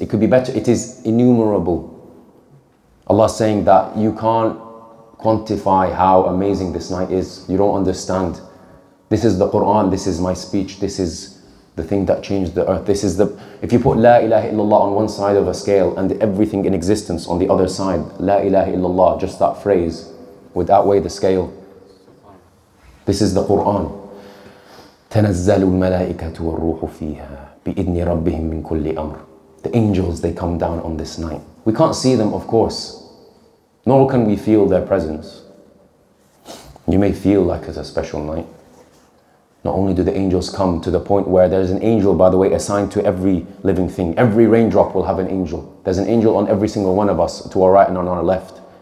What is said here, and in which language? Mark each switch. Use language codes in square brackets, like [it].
[en] It could be better, it is innumerable. Allah is saying that you can't quantify how amazing this night is. You don't understand. This is the Quran, this is my speech, this is the thing that changed the earth. This is the, if you put La ilaha illallah on one side of a scale and everything in existence on the other side, La ilaha illallah, just that phrase, would outweigh the scale. This is the Quran. [ar] تنزل الملائكة والروح فيها بإذن ربهم من كل أمر. [en] The angels, they come down on this night. We can't see them, of course. Nor can we feel their presence. You may feel like it's a special night. Not only do the angels come to the point where there's an angel, by the way, assigned to every living thing. Every raindrop will have an angel. There's an angel on every single one of us, to our right and on our left.